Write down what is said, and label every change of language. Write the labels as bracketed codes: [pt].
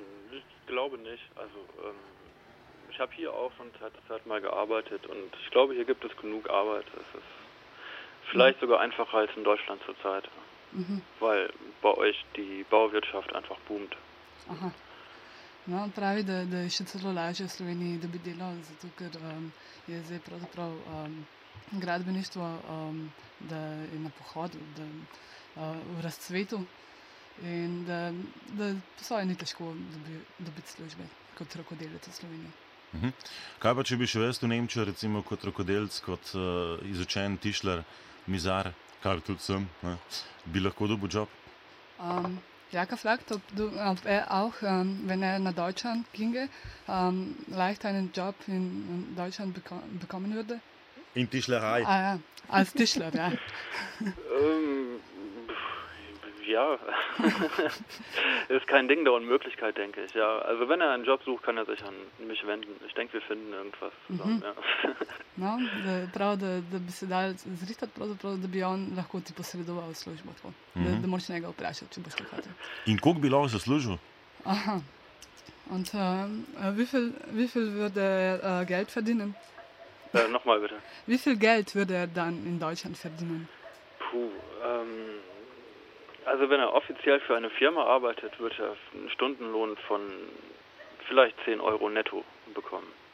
[de] Ich glaube nicht. Also ich habe hier auch von Zeit zu Zeit mal gearbeitet und ich glaube, hier gibt es genug Arbeit. Es ist vielleicht sogar einfacher als in Deutschland zurzeit, weil bei euch die Bauwirtschaft einfach boomt. Aha. [sl] No, pravi, da je še celo lažje v Sloveniji, da bi delal, zato ker je zdaj pravzaprav gradbeništvo, da je na pohodu, da v razcvetu in da svoje ni težko dobiti službe kot rokodelec v Sloveniji. Kaj pa, če bi še jaz v Nemčijo, recimo kot rokodelec, kot izučen tišler, mizar, kar tudi sem, bi lahko dobil job? [de] Jaka fragt, ob er auch, wenn er nach Deutschland ginge, leicht einen Job in Deutschland bekommen würde? In Tischlerei. Ah ja, als Tischler, ja. ja, ist kein Ding der Unmöglichkeit, denke ich. Ja, also wenn er einen Job sucht, kann er sich an mich wenden. Ich denke, wir finden irgendwas zusammen, [sl] ja. No, da bi se dal zrihtat, da bi on lahko ti posredoval v službo. Da moraš njega vprašati, če boš kakati. In koliko bi lahko zaslužil? Aha. [de] Und wie viel würde er Geld verdienen? Nochmal bitte. Wie viel Geld würde er dann in Deutschland verdienen? Also wenn er offiziell für eine Firma arbeitet, wird er einen Stundenlohn von vielleicht 10 Euro netto bekommen.